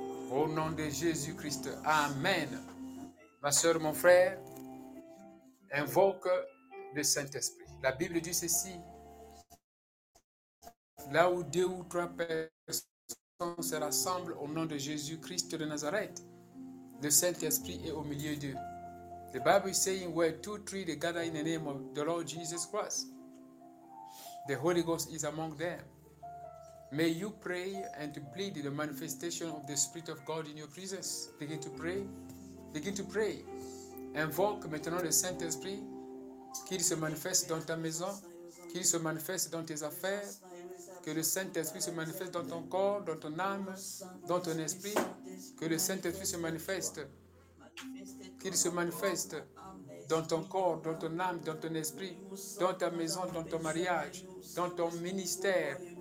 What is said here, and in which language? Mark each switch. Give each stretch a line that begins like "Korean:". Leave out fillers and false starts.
French: Au nom de Jésus-Christ. Amen. Ma soeur, mon frère, invoque le Saint-Esprit. La Bible dit ceci. Là où deux ou trois personnes se rassemblent au nom de Jésus-Christ de Nazareth, le Saint-Esprit est au milieu d'eux.
English: The Bible is saying where two or three they gather in the name of the Lord Jesus Christ, the Holy Ghost is among them. May you pray and plead the manifestation of the Spirit of God in your presence. Begin to pray. Begin to pray.
French: Invoque maintenant le Saint-Esprit qu'il se manifeste dans ta maison, qu'il se manifeste dans tes affaires, que le Saint-Esprit se manifeste dans ton corps, dans ton âme, dans ton esprit, que le Saint-Esprit se manifeste, qu'il se manifeste dans ton corps, dans ton âme, dans ton esprit, dans ta maison, dans ton mariage, dans ton ministère.